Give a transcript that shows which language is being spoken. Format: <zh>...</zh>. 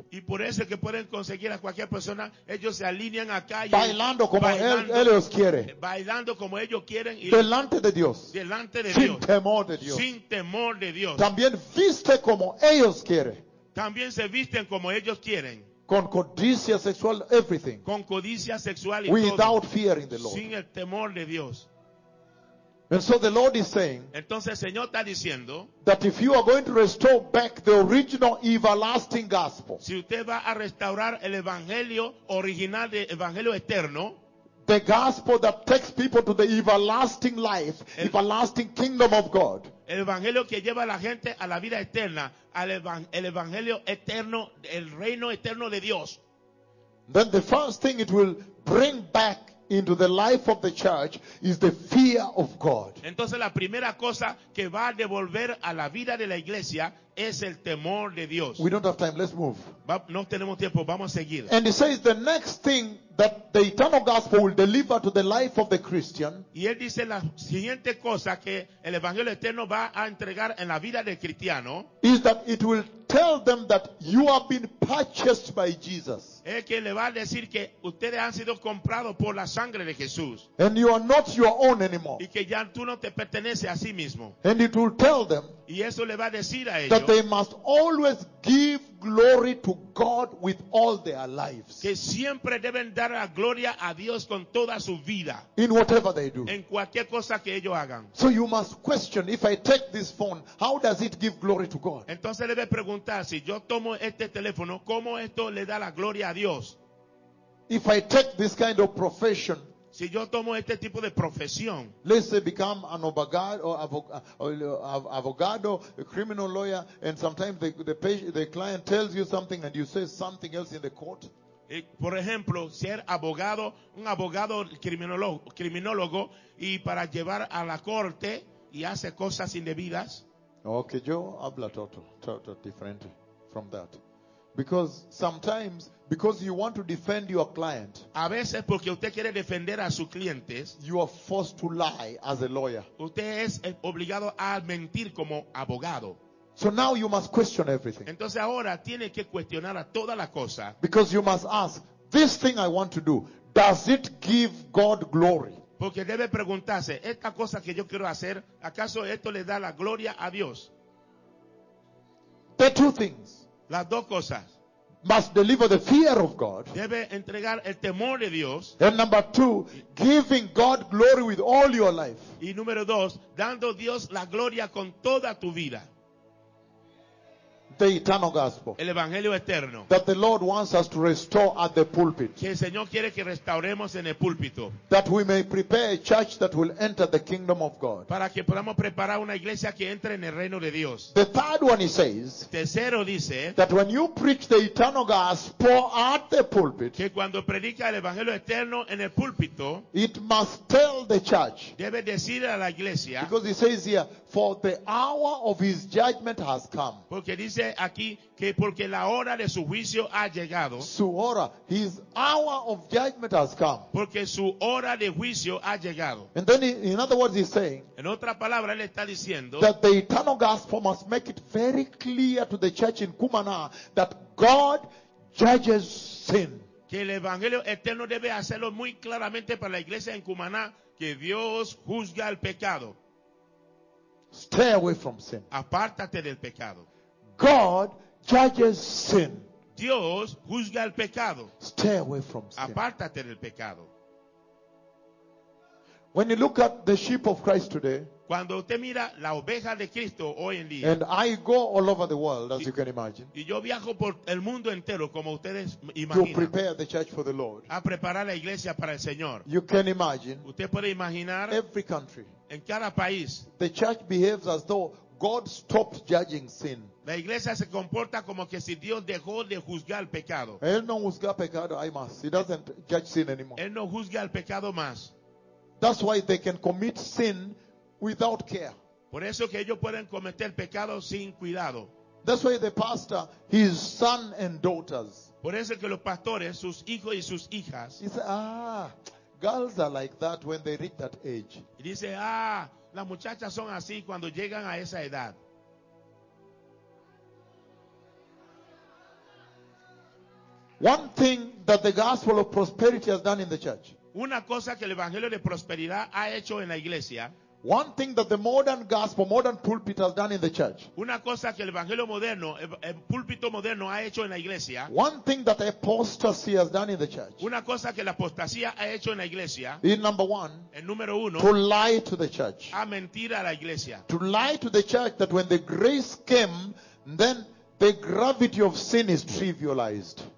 <es>Y por eso es que pueden conseguir a cualquier persona, ellos se alinean acá y bailando como ellos quieren. Bailando como ellos quieren y delante de Dios. Delante de sin Dios. Temor de Dios. Sin temor de Dios. También viste como ellos quieren. También se visten como ellos quieren. Con codicia sexual,</es> <en>everything.</en> <es>Con codicia sexual y</es> <en>without</en> <es>todo,</es> <en>fearing the Lord.</en> <es>Sin el temor de Dios.</es> <en>And so the Lord is saying,</en> <es>entonces el Señor está diciendo,</es> <en>that if you are going to restore back the original everlasting gospel,</en> <es>si usted va a restaurar el evangelio original de evangelio eterno,</es> <en>the gospel that takes people to the everlasting life, everlasting kingdom of God,</en> <es>el evangelio que lleva a la gente a la vida eterna, al el evangelio eterno, el reino eterno de Dios,</es> <en>then the first thing it will bring back into the life of the church is the fear of God.</en> <es>Entonces la primera cosa que va a devolver a la vida de la iglesia es el temor de Dios.</es> <en>We don't have time, let's move.</en> <es>No tenemos tiempo, vamos a seguir.</es> <en>And he says the next thing that the eternal gospel will deliver to the life of the Christian,</en> <es>y él dice la siguiente cosa que el evangelio eterno va a entregar en la vida del cristiano,</es> <en>is that it will tell them that you have been purchased by Jesus.</en> <es>Es que le va a decir que ustedes han sido comprados por la sangre de Jesús.</es> <en>And you are not your own anymore.</en> <es>Y que ya tú no te perteneces a sí mismo.</es> <en>And it will tell them,</en> <es>y eso le va a decir a ellos,</es> <en>that they must always give glory to God with all their lives.</en> <es>Que siempre deben dar la gloria a Dios con toda su vida.</es> <en>In whatever they do.</en> <es>En cualquier cosa que ellos hagan.</es> <en>So you must question, if I take this phone, how does it give glory to God?</en> <es>Entonces debe preguntar, si yo tomo este teléfono, ¿cómo esto le da la gloria a Dios?</es> <en>If I take this kind of profession,</en> <es>si yo tomo este tipo de profesión,</es> <en>let's say become an abogado, a criminal lawyer, and sometimes the client tells you something and you say something else in the court.</en> <es>Por ejemplo, ser abogado, un abogado criminólogo, y para llevar a la corte y hace cosas indebidas. Okay, yo habla todo diferente</es> <en>from that. Because sometimes, because you want to defend your client,</en> <es>a veces porque usted quiere defender a sus clientes,</es> <en>you are forced to lie as a lawyer.</en> <es>Usted es obligado a mentir como abogado.</es> <en>So now you must question everything.</en> <es>Entonces ahora tiene que cuestionar a toda la cosa.</es> <en>Because you must ask, this thing I want to do, does it give God glory?</en> <es>Porque debe preguntarse, esta cosa que yo quiero hacer, ¿acaso esto le da la gloria a Dios?</es> <en>The two things.</en> <es>Las dos cosas.</es> <en>Must deliver the fear of God.</en> <es>Debe entregar el temor de Dios.</es> <en>And number two, giving God glory with all your life.</en> <es>Y número dos, dando Dios la gloria con toda tu vida.</es> <en>The eternal gospel.</en> <es>El evangelio eterno.</es> <en>That the Lord wants us to restore at the pulpit.</en> <es>Que el Señor quiere que restauremos en el púlpito.</es> <en>That we may prepare a church that will enter the kingdom of God.</en> <es>Para que podamos preparar una iglesia que entre en el reino de Dios.</es> <en>The third one he says.</en> <es>Tercero dice.</es> <en>That when you preach the eternal gospel at the pulpit.</en> <es>Que cuando predica el evangelio eterno en el púlpito.</es> <en>It must tell the church.</en> <es>Debe decir a la iglesia.</es> <en>Because he says here, for the hour of his judgment has come.</en> <es>Porque dice aquí que porque la hora de su juicio ha llegado. Su hora,</es> <en>his hour of judgment has come.</en> <es>Porque su hora de juicio ha llegado.</es> <en>And then in other words he's saying,</en> <es>en otra palabra él está diciendo,</es> <en>that the eternal gospel must make it very clear to the church in Cumaná that God judges sin.</en> <es>Que el evangelio eterno debe hacerlo muy claramente para la iglesia en Cumaná que Dios juzga el pecado.</es> <en>Stay away from sin.</en> <es>Apártate del pecado.</es> <en>God judges sin.</en> <es>Dios juzga el pecado.</es> <en>Stay away from sin.</en> <es>Apártate del pecado.</es> <en>When you look at the sheep of Christ today,</en> <es>cuando usted mira la oveja de Cristo hoy en día,</es> <en>and I go all over the world, as you can imagine,</en> <es>y yo viajo por el mundo entero, como ustedes imaginan,</es> <en>to prepare the church for the Lord,</en> <es>a preparar la iglesia para el Señor,</es> <en>you can imagine,</en> <es>usted puede imaginar,</es> <en>every country,</en> <es>en cada país,</es> <en>the church behaves as though God stopped judging sin.</en> <es>La iglesia se comporta como que si Dios dejó de juzgar el pecado. Él no juzga pecado, hay más.</es> <en>He doesn't judge sin anymore.</en> <es>Él no juzga el pecado más.</es> <en>That's why they can commit sin without care.</en> <es>Por eso que ellos pueden cometer pecado sin cuidado.</es> <en>That's why the pastor, his son and daughters.</en> <es>Por eso que los pastores, sus hijos y sus hijas.</es> <en>He said, girls are like that when they reach that age.</en> <es>Y dice, las muchachas son así cuando llegan a esa edad.</es> <en>One thing that the gospel of prosperity has done in the church.</en> <es>Una cosa que el evangelio de prosperidad ha hecho en la iglesia.</es> <en>One thing that the modern gospel, modern pulpit has done in the church.</en> <es>Una cosa que el evangelio moderno, el púlpito moderno ha hecho en la iglesia.</es> <en>One thing that apostasy has done in the church.</en> <es>Una cosa que la apostasía ha hecho en la iglesia.</es> <en>In number one.</en> <es>En número uno.</es> <en>To lie to the church.</en> <es>A mentir a la iglesia.</es> <en>To lie to the church that when the grace came, then the gravity of sin is trivialized.</en>